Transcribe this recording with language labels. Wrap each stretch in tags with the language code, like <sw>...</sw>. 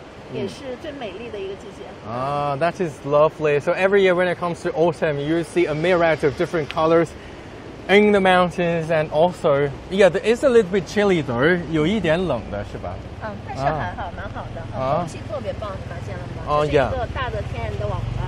<zh>那其实这个时候应该是最美的，是吧？对对对，就是我们阿勒泰的秋天是一年四季中我认为是就是色彩最多、最丰富，也是最美丽的一个季节。</zh> <en>That is lovely. So every year when it comes to autumn, you see a myriad of different colors in the mountains, and also, yeah, it's a little bit chilly though.</en> <zh>有一点冷的，是吧？但是还好，蛮好的。空气特别棒，你发现了吗？哦，yeah。一个大的天然的网。</zh>